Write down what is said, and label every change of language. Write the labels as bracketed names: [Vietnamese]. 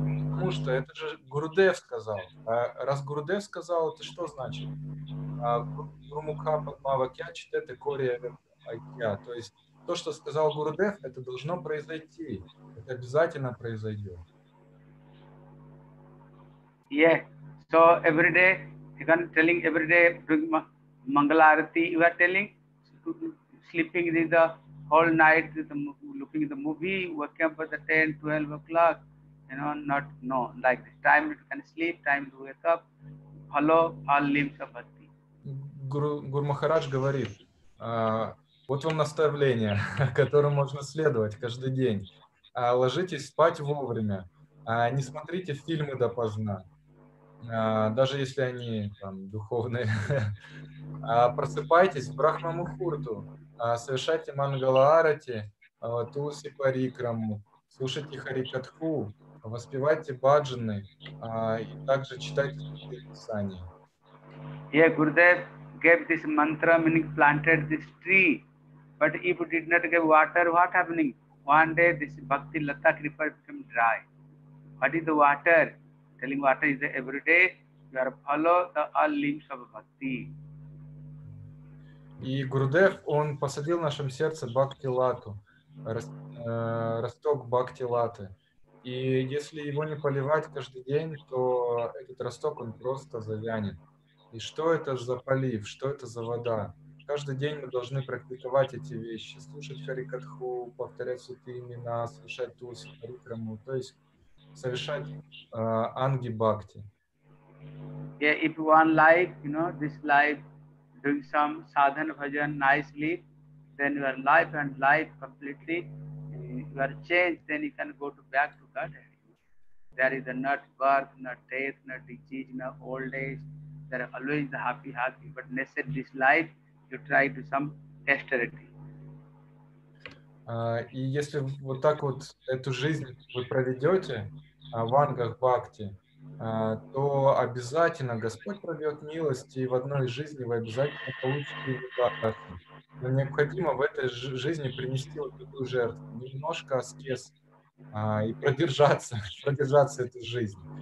[Russian] потому что это же Гурудев сказал. Раз Гурудев сказал, это что значит? [Sanskrit] Гурмукха Падмавакья читете корея Акья. [Russian] То есть то, что сказал Гурудев, это должно произойти. Это обязательно произойдет. [English] Yeah. So every day, you can telling every day during Mangala Arati, you are telling, sleeping in the whole night, looking at the movie, waking up at the 10, 12 o'clock, you know, not, no, like this time you can sleep, time to wake up, follow all limbs of bhakti. [Russian] Гуру Махарадж говорит, вот вам наставление, которому можно следовать каждый день. Ложитесь спать вовремя, не смотрите фильмы допоздна. Даже если они там духовные. Просыпайтесь в брахма-мухурту, совершайте мангала-арати, туласи-парикраму, слушайте харикатху, воспевайте баджаны, и также читайте писание. [English] Yeah, Gurudev gave this mantra, meaning planted this tree. But if you did not give water, what happening? One day this bhakti lata creeper became dry. What is the water? Telling water is every day, you are follow the all limbs of bhakti. [Russian] И Гурудев, он посадил в нашем сердце бхакти лату, росток бхакти латы. И если его не поливать каждый день, то этот росток, он просто завянет. И что это за полив, что это за вода? Каждый день мы должны практиковать эти вещи, слушать харикатху, повторять святые имена, слушать туласи парикраму, то есть совершать анги бхакти. [English] Yeah, if one life, you know, this life doing some sadhana bhajan nicely, then your life and life completely you are changed, then you can go to back to Godhead. There is not birth, not death, not disease, not old age. There are always the happy, happy. But instead this life, you try to some austerity. [Russian] И если вот так вот эту жизнь вы проведете в ангах бхакти, то обязательно Господь пробьет милости, и в одной жизни вы обязательно получите результат. Но необходимо в этой жизни принести вот такую жертву, немножко аскез, и продержаться эту жизнь.